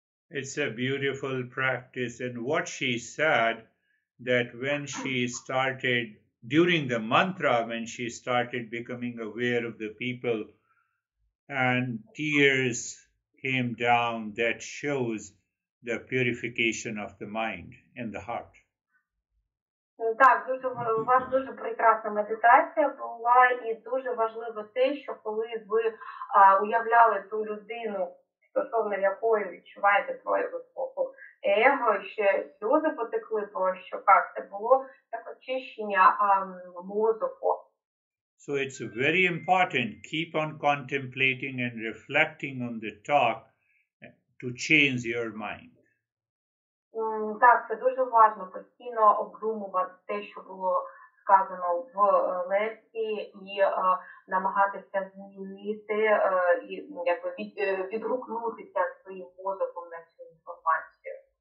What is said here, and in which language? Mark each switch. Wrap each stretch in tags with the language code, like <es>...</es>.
<en>It's a beautiful practice, and what she said that when she started. During the mantra, when she started becoming aware of the people and tears came down, that shows the purification of the mind and the heart.</en> <uk>Так, дуже у вас дуже прекрасна медитація була, і дуже важливо те, що коли ви уявляли ту людину, стосовно якої відчуваєте прояви спокою. Его, ще сльози потекли, тому що так, це було як очищення мозку.</uk> <en>So it's very important, keep on contemplating and reflecting on the talk to change your mind.</en> <uk>Так, це дуже важливо, постійно обдумувати те, що було сказано в лекції, і намагатися змінити, і якби відгукнутися своїм мозком на цю інформацію.</uk>